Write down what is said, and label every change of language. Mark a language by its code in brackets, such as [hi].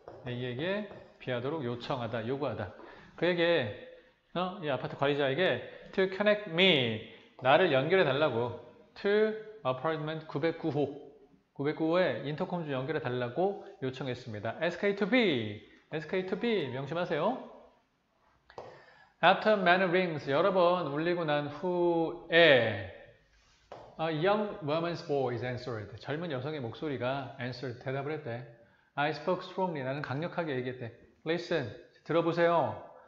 [ko] A에게 비하도록 요청하다, 요구하다. 그에게 이 아파트 관리자에게 [en] to connect me [ko] 나를 연결해 달라고 [en] to apartment [ko] 909호 909호에 인터콤 좀 연결해 달라고 요청했습니다. SK2B 명심하세요. [en] After many rings [ko] 여러 번 울리고 난 후에 [en] A young woman's voice answered. [ko] 젊은 여성의 목소리가 answered, 대답을 했대. [en] I spoke strongly. [ko] 나는 강력하게 얘기했대. Listen, 들어보세요.